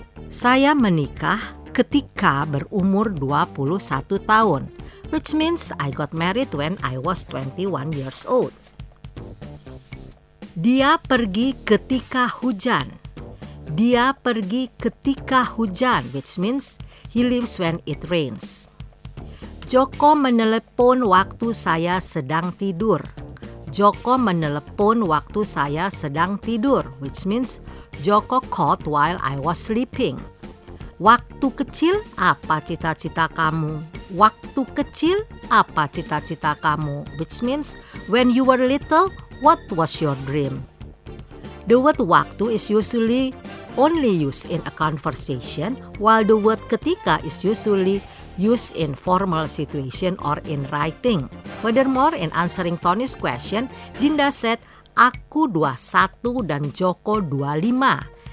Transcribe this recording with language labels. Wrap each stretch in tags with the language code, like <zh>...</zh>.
<id>Saya menikah ketika berumur 21 tahun,</id> <en>which means I got married when I was 21 years old.</en> <id>Dia pergi ketika hujan. Dia pergi ketika hujan,</id> <en>which means he leaves when it rains.</en> <id>Joko menelepon waktu saya sedang tidur. Joko menelepon waktu saya sedang tidur,</id> <en>which means Joko called while I was sleeping.</en> <id>Waktu kecil, apa cita-cita kamu? Waktu kecil, apa cita-cita kamu?</id> <en>Which means, when you were little, what was your dream? The word waktu is usually only used in a conversation, while the word ketika is usually used in formal situation or in writing. Furthermore, in answering Tony's question, Dinda said,</en> <id>aku 21 dan Joko 25.</id>